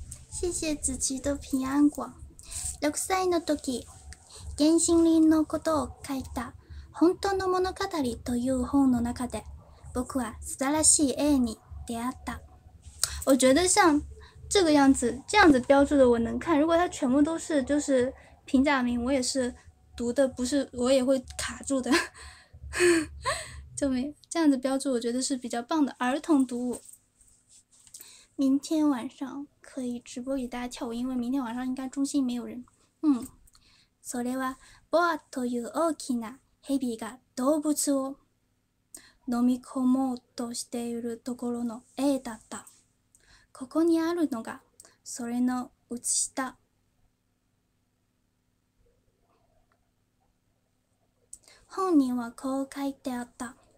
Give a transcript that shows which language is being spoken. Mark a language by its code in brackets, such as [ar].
[zh] 谢谢子琪的平安果。 [ja] 6歳の時、原森林のことを書いた本当の物語という本の中で、僕は素晴らしい絵に出会った。 [zh] 我觉得像这个样子，这样子标注的我能看。如果它全部都是就是平假名，我也是读的不是，我也会卡住的。这样子标注我觉得是比较棒的儿童读物。明天晚上可以直播给大家跳舞，因为明天晚上应该中心没有人。 [ja] それはボアという大きな蛇が動物を飲み込もうとしているところの絵だった。ここにあるのがそれの写した本人はこう書いてあった。